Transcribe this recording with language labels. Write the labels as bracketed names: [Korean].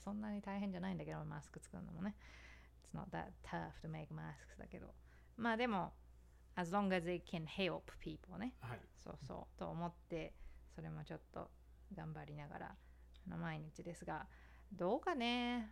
[Japanese] そんなに大変じゃないんだけど、マスク作るのもね。 [English] It's not that tough to make masks だけど。 まあでも、as long as they can help people ね。 [Japanese] はい。そうそう。と思って、それもちょっと頑張りながらの毎日ですが、どうかね。